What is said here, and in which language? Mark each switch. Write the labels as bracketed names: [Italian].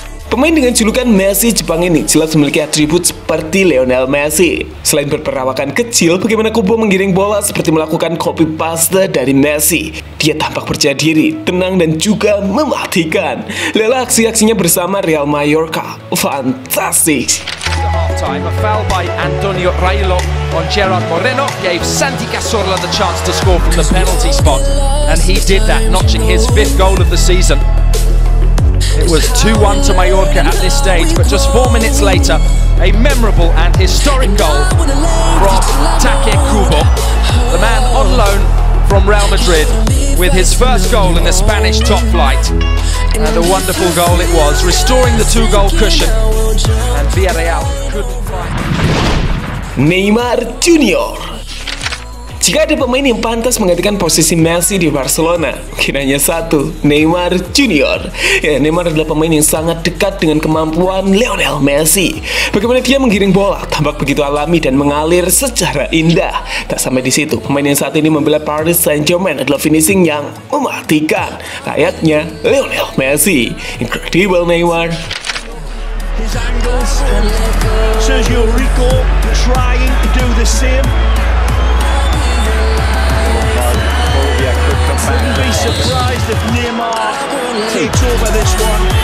[Indonesian] Pemain dengan julukan Messi Jepang ini jelas memiliki atribut seperti Lionel Messi. Selain berperawakan kecil, bagaimana Kubo menggiring bola seperti melakukan copy paste dari Messi. Dia tampak percaya diri, tenang dan juga mematikan. Lihatlah aksi-aksinya bersama Real Mallorca. [English] Fantastic. A foul by Antonio Raiolo on Gerard Moreno gave Santi Cazorla the chance to score from the penalty spot, and he did that, notching his 5th goal of the season. It was 2-1 to Mallorca at this stage, but just 4 minutes later, a memorable and historic goal from Take Kubo, the man on loan from Real Madrid, with his first goal in the Spanish top flight. And a wonderful goal it was, restoring the 2-goal cushion. And Villarreal could find [Indonesian] Neymar Junior. Jika ada pemain yang pantas menggantikan posisi Messi di Barcelona, kiranya satu, Neymar Junior. Ya, Neymar adalah pemain yang sangat dekat dengan kemampuan Lionel Messi. Bagaimana dia menggiring bola, tampak begitu alami dan mengalir secara indah. Tak sampai di situ, pemain yang saat ini membela Paris Saint-Germain adalah finishing yang mematikan. Layaknya Lionel Messi. [English] Incredible Neymar. His angles and Sergio Rico trying to do the same. Wouldn't be surprised if Neymar takes over this one.